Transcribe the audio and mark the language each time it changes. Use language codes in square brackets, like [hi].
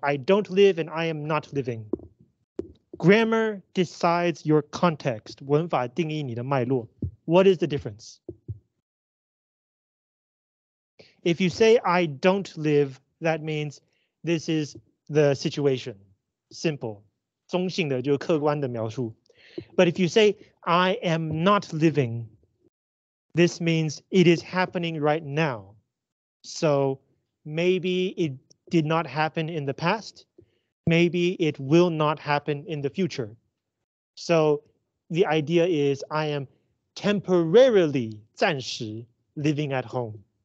[en] I don't live and I am not living. Grammar decides your context. [zh] 文法定义你的脉络. [en] What is the difference? If you say, I don't live, that means this is the situation. Simple. [zh] 中性的就是客观的描述. [en] But if you say, I am not living, this means it is happening right now. So maybe it did not happen in the past. Maybe it will not happen in the future. So the idea is I am temporarily, 暂时, living at home.